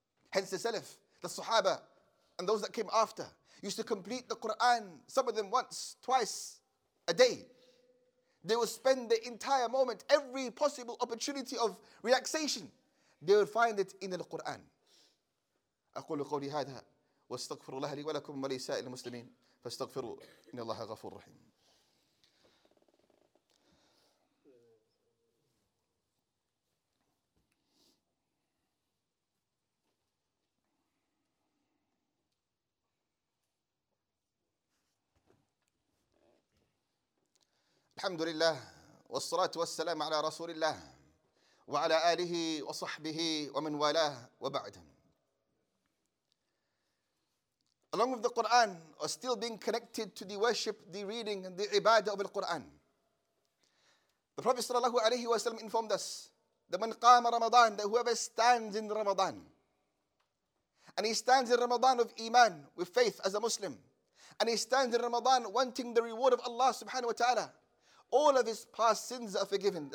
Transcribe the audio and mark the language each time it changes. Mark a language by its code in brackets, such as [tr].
[en] Hence the Salaf, the Sahaba, and those that came after used to complete the Quran, some of them once, twice a day. They would spend the entire moment, every possible opportunity of relaxation, they would find it in the Quran. [ar] أقول قولي هذا واستغفر الله لي ولكم ولسائر المسلمين فاستغفروا إن الله غفور رحيم. الحمد لله والصلاة والسلام على رسول الله وعلى آله وصحبه ومن والاه وبعد. [en] Along with the Quran, or still being connected to the worship, the reading, and the ibadah of the Quran, the Prophet sallallahu alaihi wasallam informed us that [ar] من قام رمضان, [en] that whoever stands in Ramadan, and he stands in Ramadan of iman, with faith as a Muslim, and he stands in Ramadan wanting the reward of Allah subhanahu wa ta'ala, all of his past sins are forgiven.